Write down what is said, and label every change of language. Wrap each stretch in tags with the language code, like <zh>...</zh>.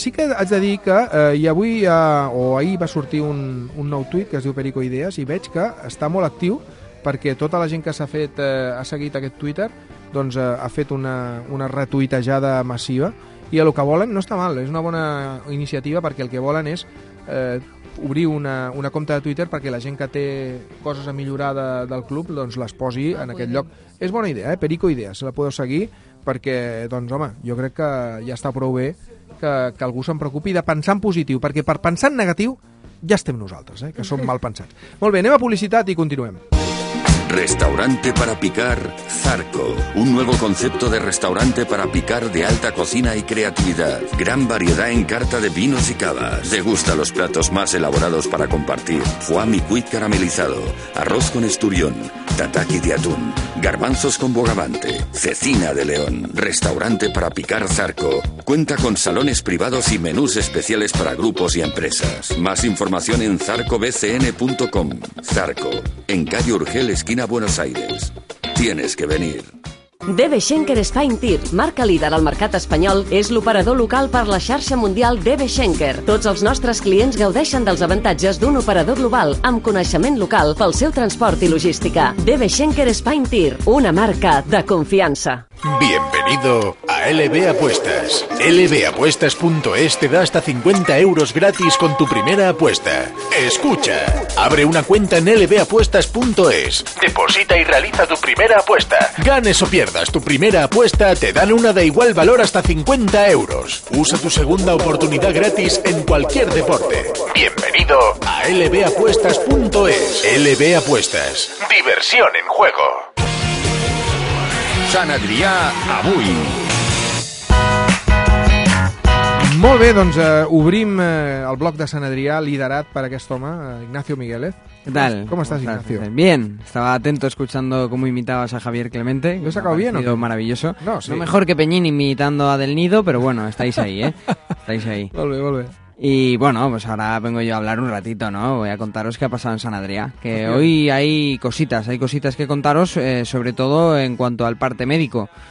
<ca>Sí que haig de dir que ahir va sortir un nou tuit que es diu Perico Idees i veig que està molt actiu, perquè tota la gent que s'ha fet ha seguit aquest Twitter, doncs ha fet una retuitejada massiva, i el que volen no està mal, és una bona iniciativa, perquè el que volen és obrir una compte de Twitter perquè la gent que té coses a millorar del club doncs les posi en aquest lloc. És bona idea, Perico Idees, la podeu seguir, perquè doncs home, jo crec que ja està prou bé que algú se'n preocupi de pensar en positiu, perquè per pensar en negatiu ja estem nosaltres, que som mal pensats. Molt bé, anem a publicitat i continuem.</ca> <es>Restaurante para picar, Zarco. Un nuevo concepto de restaurante para picar de alta cocina y creatividad. Gran variedad en carta de vinos y cavas. Degusta los platos más elaborados para compartir. Foie mi-cuit caramelizado, arroz con esturión, tataki de atún, garbanzos con bogavante, cecina de león. Restaurante para picar, Zarco. Cuenta con salones privados y menús especiales para grupos y empresas. Más información en zarcobcn.com. Zarco, en calle Urgel, esquina Buenos Aires. Tienes que venir.</es> <ca>DB Schenker Spine Tir, marca líder al mercat espanyol, és l'operador local per la xarxa mundial DB Schenker. Tots els nostres clients gaudeixen dels avantatges d'un operador global amb coneixement local pel seu transport i logística. DB Schenker Spine Tir, una marca de confiança.</ca> <es>Bienvenido a LB Apuestas. LBApuestas.es te da hasta 50 euros gratis con tu primera apuesta. Escucha, abre una cuenta en LBApuestas.es. Deposita y realiza tu primera apuesta. Ganes o pierdas tu primera apuesta, te dan una de igual valor hasta 50 euros. Usa tu segunda oportunidad gratis en cualquier deporte. Bienvenido a LBApuestas.es. LB Apuestas. Diversión en juego.</es> <ca>Sant Adrià, avui. Molt bé, doncs obrim el bloc de Sant Adrià liderat per aquest home, Ignacio Migueles.</ca> <es>¿Qué tal? ¿Cómo estás, Ignacio? Bien, estaba atento escuchando cómo imitabas a Javier Clemente. ¿Lo has sacado bien o qué? Maravilloso. No, sí. No mejor que Peñín imitando a Del Nido, pero bueno, estáis ahí, ¿eh? Estáis ahí. Volve, volve. Y bueno, pues ahora vengo yo a hablar un ratito, ¿no? Voy a contaros qué ha pasado en Sant Adrià. Que pues hoy hay cositas que contaros, sobre todo en cuanto al parte médico.</es>